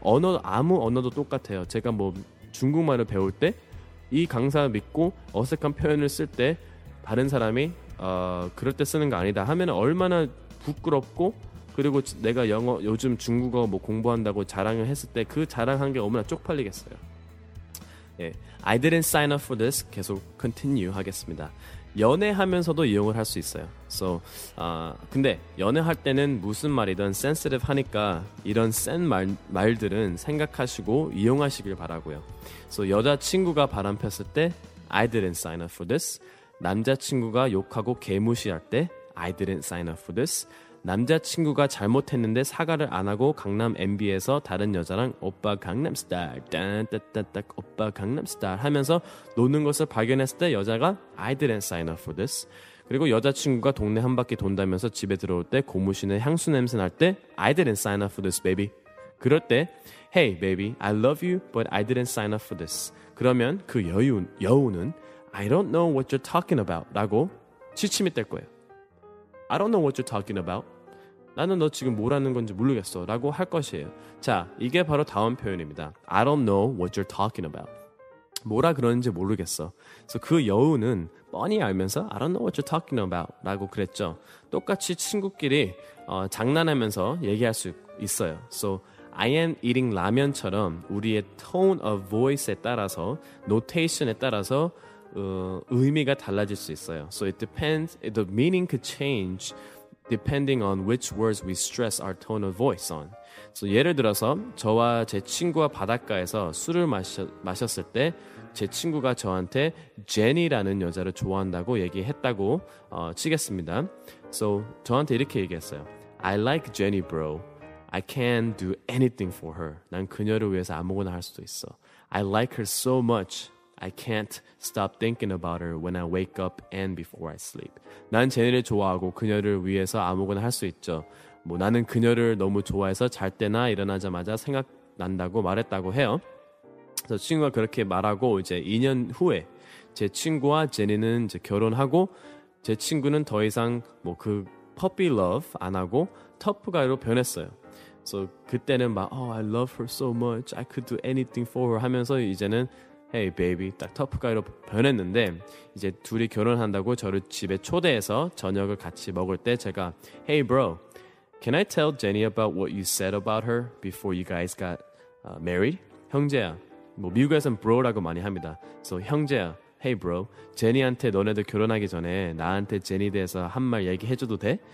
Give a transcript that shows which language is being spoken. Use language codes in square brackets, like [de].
[ko] 언어 아무 언어도 똑같아요. 제가 뭐 중국말을 배울 때 이 강사 믿고 어색한 표현을 쓸 때 다른 사람이 그럴 때 쓰는 거 아니다 하면 얼마나 부끄럽고 그리고 내가 영어 요즘 중국어 뭐 공부한다고 자랑을 했을 때 그 자랑한 게 얼마나 쪽팔리겠어요. 예, [en] I didn't sign up for this [ko] 계속 continue 하겠습니다. 연애하면서도 이용을 할 수 있어요. So, 근데 연애할 때는 무슨 말이든 sensitive 하니까 이런 센 말들은 생각하시고 이용하시길 바라고요. [en] So, [ko] 여자친구가 바람 폈을 때 [en] I didn't sign up for this. [ko] 남자친구가 욕하고 개무시할 때 [en] I didn't sign up for this. [ko] 남자친구가 잘못했는데 사과를 안 하고 강남 MB에서 다른 여자랑 오빠 강남스타일 딴딴딴딴 오빠 강남스타일 하면서 노는 것을 발견했을 때 여자가 [en] I didn't sign up for this. [ko] 그리고 여자친구가 동네 한 바퀴 돈다면서 집에 들어올 때 고무신의 향수 냄새 날 때 [en] I didn't sign up for this baby. [ko] 그럴 때 [en] Hey baby I love you but I didn't sign up for this. [ko] 그러면 그 여우는 [en] I don't know what you're talking about [ko] 라고 지침이 될 거예요. [en] I don't know what you're talking about. [ko] 나는 너 지금 뭐라는 건지 모르겠어 라고 할 것이에요. 자, 이게 바로 다음 표현입니다. [en] I don't know what you're talking about. [ko] 뭐라 그러는지 모르겠어. 그래서 그 여우는 뻔히 알면서 [en] I don't know what you're talking about [ko] 라고 그랬죠. 똑같이 친구끼리 장난하면서 얘기할 수 있어요. [en] So I am eating [ko] 라면처럼 우리의 tone of voice에 따라서 notation에 따라서 의미가 달라질 수 있어요. [en] So it depends, the meaning could change depending on which words we stress our tone of voice on. [ko] So 예를 들어서 저와 제 친구와 바닷가에서 술을 마셨을 때 제 친구가 저한테 제니라는 여자를 좋아한다고 얘기했다고 치겠습니다. So 저한테 이렇게 얘기했어요. [en] I like Jenny, bro. I can do anything for her. [ko] 난 그녀를 위해서 아무거나 할 수도 있어. [en] I like her so much. I can't stop thinking about her when I wake up and before I sleep. [ko] 난 제니를 좋아하고 그녀를 위해서 아무거나 할 수 있죠. 뭐 나는 그녀를 너무 좋아해서 잘 때나 일어나자마자 생각난다고 말했다고 해요. 그래서 친구가 그렇게 말하고 이제 2년 후에 제 친구와 제니는 이제 결혼하고 제 친구는 더 이상 뭐 그 퍼피 러브 안 하고 터프 가이로 변했어요. [en] So [ko] 그때는 막 [en] oh I love her so much. I could do anything for her [ko] 하면서 이제는 Hey baby, 딱 터프가이로 변했는데 이제 둘이 결혼한다고 저를 집에 초대해서 저녁을 같이 먹을 때 제가 Hey bro, [en] Can I tell Jenny about what you said about her before you guys got married? [ko] 형제야. 뭐 미국에선 bro라고 많이 합니다. So 형제야. Hey bro, Jenny한테 너네들 결혼하기 전에 나한테 제니 대해서 한 말 얘기해줘도 돼?